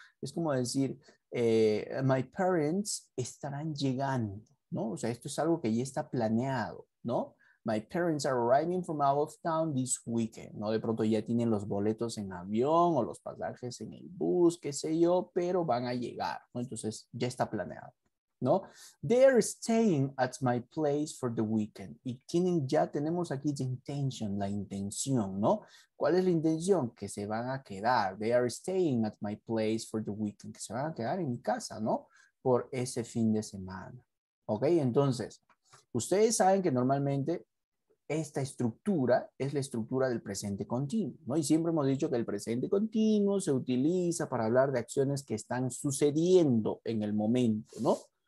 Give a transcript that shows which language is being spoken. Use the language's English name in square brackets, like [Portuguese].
[Spanish] Es como decir, [English] my parents [Spanish] estarán llegando, ¿no? O sea, esto es algo que ya está planeado, ¿no? [English] My parents are arriving from out of town this weekend, [Spanish] ¿no? De pronto ya tienen los boletos en avión o los pasajes en el bus, qué sé yo, pero van a llegar, ¿no? Entonces, ya está planeado, ¿no? [English] They're staying at my place for the weekend. [Spanish] Y tienen, ya tenemos aquí [English] the intention, [Spanish] la intención, ¿no? ¿Cuál es la intención? Que se van a quedar. [English] They are staying at my place for the weekend. [Spanish] Que se van a quedar en mi casa, ¿no? Por ese fin de semana. ¿Ok? Entonces, ustedes saben que normalmente esta estructura es la estructura del presente continuo, ¿no? Y siempre hemos dicho que el presente continuo se utiliza para hablar de acciones que están sucediendo en el momento, ¿no?